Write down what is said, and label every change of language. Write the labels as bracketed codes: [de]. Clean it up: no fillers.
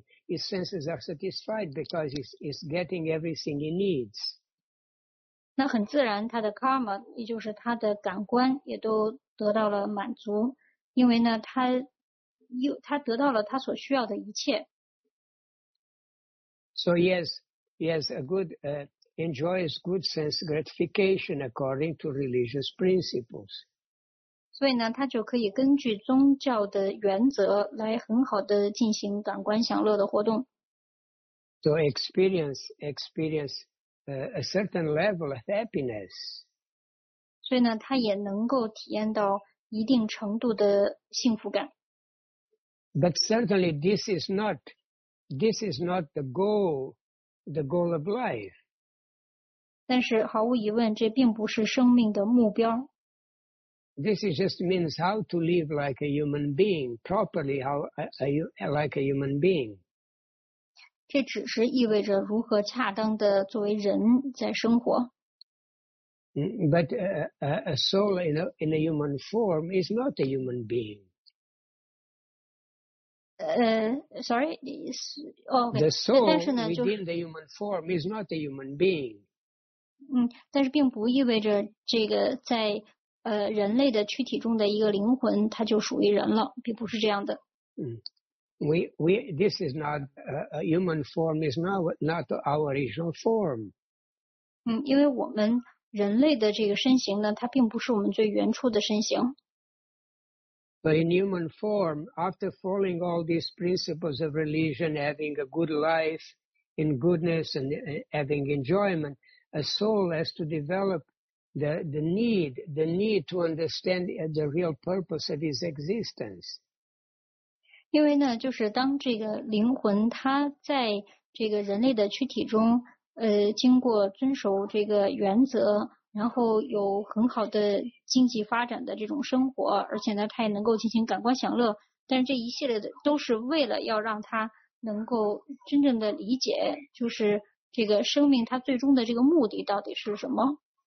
[en] His senses are satisfied because he's getting everything he needs. [zh] 那很自然，他的 karma 也就是他的感官也都得到了满足，因为呢，他得到了他所需要的一切。 [en] So yes, a good enjoys good sense gratification according to religious principles. [zh] 所以呢，他就可以根据宗教的原则来很好的进行感官享乐的活动。 [en] So experience a certain level of happiness. [zh] 所以呢，他也能够体验到一定程度的幸福感。 [en] But certainly this is not the goal of life. [zh] 但是毫无疑问，这并不是生命的目标。 [en] This is just means how to live like a human being, properly how like a human being. [zh] 这只是意味着如何恰当的作为人在生活。 [en] But a soul in a human form is not a human being. The soul within the human form is not a human being. [zh] 但是并不意味着这个在人类的躯体中的一个灵魂，它就属于人了，并不是这样的。 [en] This is not a human form. Is not our original form. [zh] 因为我们人类的这个身形呢，它并不是我们最原初的身形。 [en] But in human form, after following all these principles of religion, having a good life in goodness and having enjoyment, a soul has to develop. The need to understand the real purpose of his existence. [zh] 因为呢，就是当这个灵魂它在这个人类的躯体中，经过遵守这个原则，然后有很好的经济发展的这种生活，而且呢，它也能够进行感官享乐。但是这一系列的都是为了要让它能够真正的理解，就是这个生命它最终的这个目的到底是什么。